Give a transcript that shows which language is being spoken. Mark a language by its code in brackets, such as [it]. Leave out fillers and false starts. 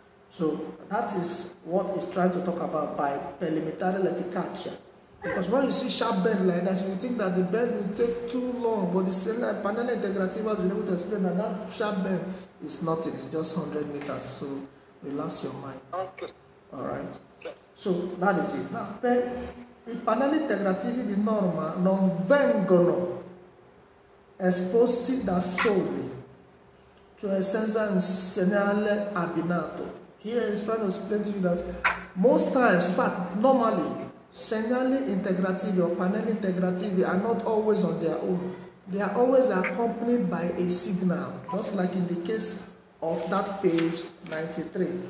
[en] So that is what it's trying to talk about by perlimitare l'efficacia. Because when you see sharp bend like that, you think that the bend will take too long, but the same panel integrativo has been able to explain that that sharp bend is nothing, it's just 100 meters. So relax your mind. Okay. All right. So that is it. [it] Now, per il panel integrativo di norma non vengono esposti da soli, cioè senza un segnale abbinato. [en] Here he's trying to explain to you that most times, but normally, segnale integrativi or panel integrativi are not always on their own. They are always accompanied by a signal, just like in the case of that page 93.